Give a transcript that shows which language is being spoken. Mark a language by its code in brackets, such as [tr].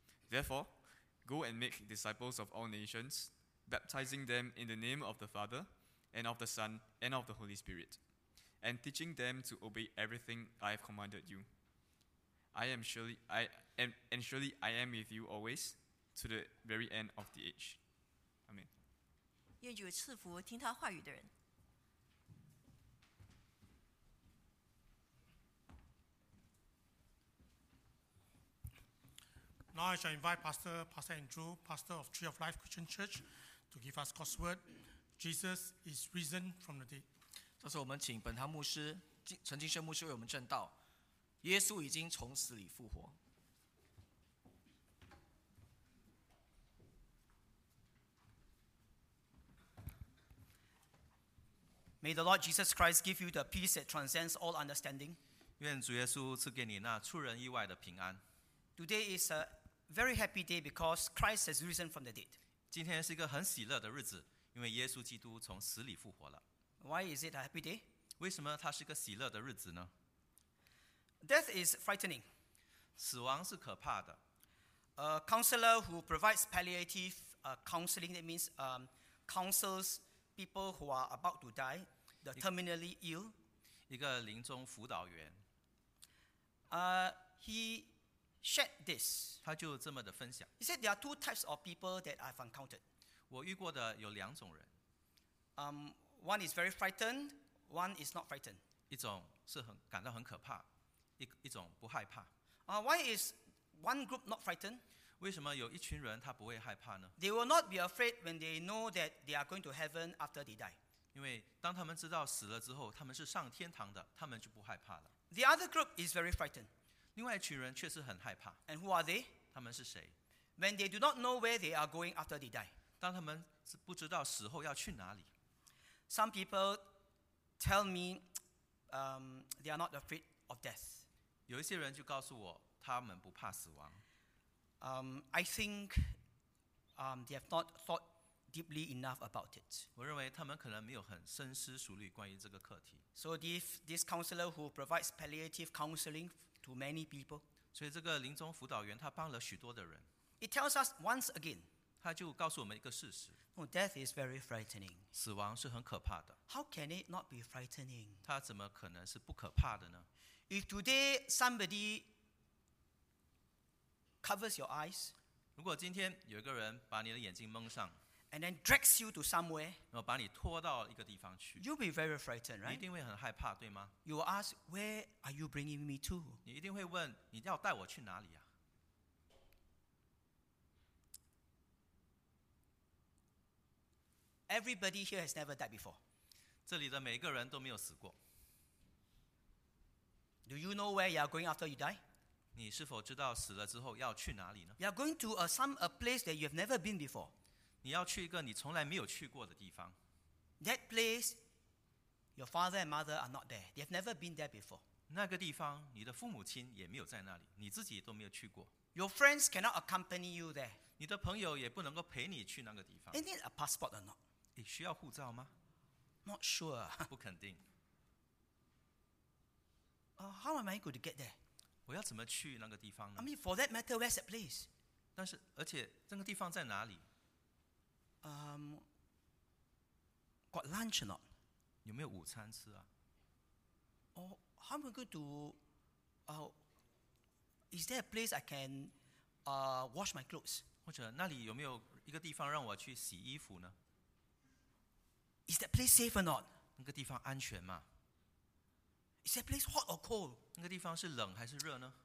[en] Therefore, go and make disciples of all nations, baptizing them in the name of the Father, and of the Son, and of the Holy Spirit, and teaching them to obey everything I have commanded you. Surely I am with you always, to the very end of the age." Amen. [zh] 愿主赐福听他话语的人。 [en] Now I shall invite Pastor Andrew, pastor of Tree of Life Christian Church, to give us God's word. Jesus is risen from the dead. [zh] 这是我们请本堂牧师陈金生牧师为我们证道。耶稣已经从死里复活。 [en] May the Lord Jesus Christ give you the peace that transcends all understanding. [zh] 愿主耶稣赐给你那出人意外的平安。 [en] Today is a very happy day because Christ has risen from the dead. [zh] 今天是一个很喜乐的日子，因为耶稣基督从死里复活了。 [en] Why is it a happy day? [zh] 为什么它是一个喜乐的日子呢？ [en] Death is frightening. [zh] 死亡是可怕的。 [en] A counselor who provides palliative counseling, that means counsels people who are about to die, the terminally ill. [zh] 一个临终辅导员。 [en] He shared this. [zh] 他就这么的分享。 [en] He said there are two types of people that I've encountered. [zh] 我遇过的有两种人。 [en] One is very frightened, one is not frightened. [zh] 一种是很感到很可怕，一种不害怕。 [en] Why is one group not frightened? [zh] 为什么有一群人他不会害怕呢？ [en] They will not be afraid when they know that they are going to heaven after they die. [zh] 因为当他们知道死了之后，他们是上天堂的，他们就不害怕了。 [en] The other group is very frightened. [zh] 另外一群人却是很害怕。 [en] And who are they? [zh] 他们是谁？ [en] When they do not know where they are going after they die. [zh] 当他们不知道死后要去哪里。 [en] Some people tell me they are not afraid of death. [zh] 有一些人就告诉我他们不怕死亡。 [en] I think they have not thought deeply enough about it. [zh] 我认为他们可能没有很深思熟虑关于这个课题。 [en] So this counselor who provides palliative counseling to many people. [zh] 所以这个临终辅导员他帮了许多的人。 [en] It tells us once again. [zh] 他就告诉我们一个事实。 [en] Oh, death is very frightening. [zh] 死亡是很可怕的。 [en] How can it not be frightening? [zh] 他怎么可能是不可怕的呢？ [en] If today somebody covers your eyes. [zh] 如果今天有一个人把你的眼睛蒙上， [en] and then drags you to somewhere. [zh] 然后把你拖到一个地方去， [en] you'll be very frightened, right? [zh] 你一定会很害怕，对吗？ [en] You will ask, where are you bringing me to? [zh] 你一定会问，你要带我去哪里啊？ [en] Everybody here has never died before. [zh] 这里的每一个人都没有死过。 [en] Do you know where you are going after you die? [zh] 你是否知道死了之后要去哪里呢？ [en] You are going to a place that you have never been before. [zh] 你要去一个你从来没有去过的地方。 [en] That place, your father and mother are not there. They have never been there before. [zh] 那个地方，你的父母亲也没有在那里，你自己都没有去过。 [en] Your friends cannot accompany you there. [zh] 你的朋友也不能够陪你去那个地方。 [en] Is it a passport or not? [zh] 你需要护照吗？ [en] Not sure. [zh] 不肯定。 [en] How am I going to get there? [zh] 我要怎么去那个地方呢？ [en] I mean, for that matter, where's that place? [zh] 但是，而且这个地方在哪里？ [en] Got lunch or not? [zh] 有没有午餐吃啊？ [en] Oh, how am I going to, is there a place I can, wash my clothes? [zh] 或者那里有没有一个地方让我去洗衣服呢？ [en] Is that place safe or not? [zh] 那个地方安全吗？ [en] Is that place hot or cold? [zh] 那个地方是冷还是热呢？